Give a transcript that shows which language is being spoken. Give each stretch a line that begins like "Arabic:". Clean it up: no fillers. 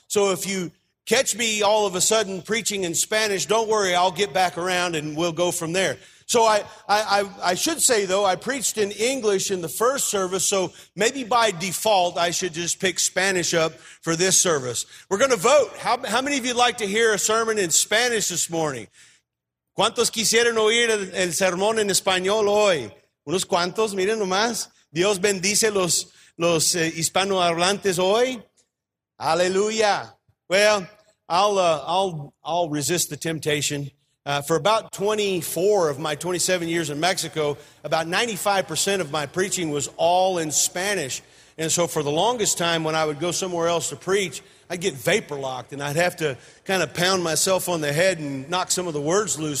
English: So if you catch me all of a sudden preaching in Spanish, don't worry, I'll get back around and we'll go from there. So I should say, though, I preached in English in the first service, so maybe by default I should just pick Spanish up for this service. We're going to vote. How many of you'd like to hear a sermon in Spanish this morning?
Spanish: ¿Cuántos quisieran oír el sermón en español hoy? Unos cuantos, miren nomás. Dios bendice los hispanohablantes hoy. Aleluya.
English: Well, I'll resist the temptation. For about 24 of my 27 years in Mexico, about 95% of my preaching was all in Spanish. And so for the longest time, when I would go somewhere else to preach, I'd get vapor locked and I'd have to kind of pound myself on the head and knock some of the words loose.